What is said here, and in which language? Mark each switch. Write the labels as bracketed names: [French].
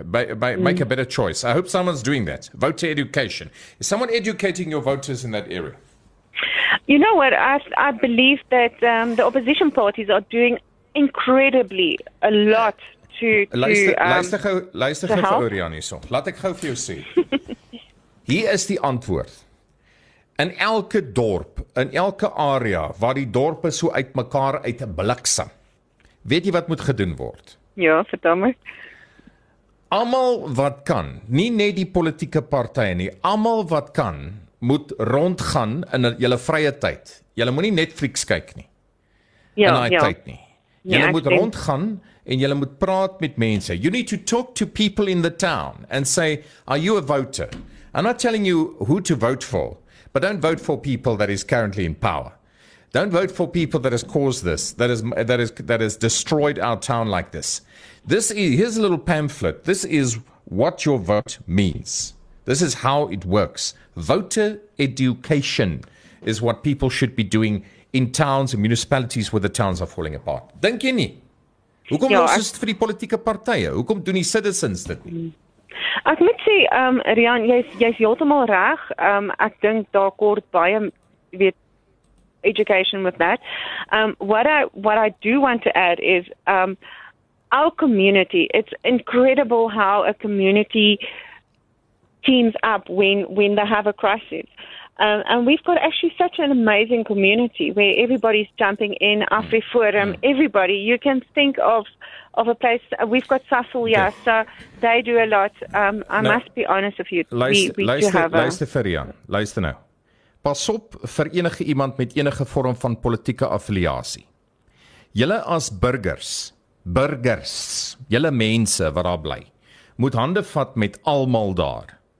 [English] Make a better choice. I hope someone's doing that. Voter education. Is someone educating your voters in that area? You know what? I believe that the opposition parties are doing incredibly a lot to help. [Afrikaans] Luister gou vir Orianie. Laat ek gou vir jou sê. Hier is die antwoord. In elke dorp, in elke area waar die dorpe so uit mekaar uit bliksem. Weet jy wat moet gedoen word? Ja, verdomme. Almal wat kan, nie net die politieke partye nie, almal wat kan moet rondgaan in julle vrye tyd. Julle moenie Netflix kyk nie. In daai tyd nie. Julle moet rondgaan en julle moet praat met mense. [English] You need to talk to people in the town and say, "Are you a voter?" I'm not telling you who to vote for, but don't vote for people that is currently in power. Don't vote for people that has caused this, that has destroyed our town like this. Here's a little pamphlet. This is what your vote means. This is how it works. Voter education is what people should be doing in towns and municipalities where the towns are falling apart. [Afrikaans] Dink jy nie? Hoekom los is dit vir die politieke partye? Hoekom doen die citizens dit nie? Ek moet sê, Rian, jy is heeltemal reg. Ek dink daar kort baie weet education [English] with that. What I do want to add is our community. It's incredible how a community teams up when they have a crisis. And we've got actually such an amazing community where everybody's jumping in, AfriForum, everybody. You can think of a place. We've got Sassel, so they do a lot. I must be honest with you. [Afrikaans] Luister nou. Pas op vir enige iemand met enige vorm van politieke affiliatie. Julle as burgers, julle mense wat daar bly, moet hande vat met almal daar.